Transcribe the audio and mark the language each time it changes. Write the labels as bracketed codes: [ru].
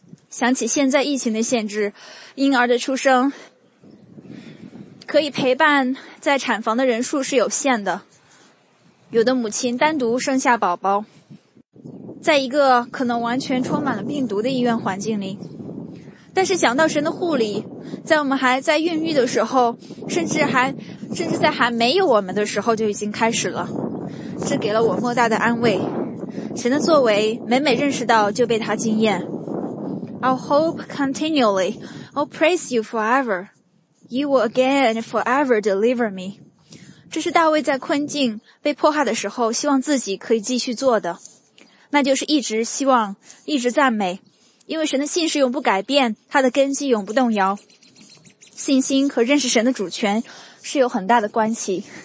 [zh] 想起现在疫情的限制，婴儿的出生可以陪伴在产房的人数是有限的，有的母亲单独生下宝宝，在一个可能完全充满了病毒的医院环境里。但是想到神的护理，在我们还在孕育的时候，甚至在还没有我们的时候就已经开始了，这给了我莫大的安慰。神的作为每每认识到就被他惊艳。 [en] I'll hope continually, I'll praise you forever, you will again and forever deliver me. [zh] 这是大卫在困境被迫害的时候希望自己可以继续做的，那就是一直希望，一直赞美，因为神的信实永不改变，他的根基永不动摇。信心和认识神的主权是有很大的关系。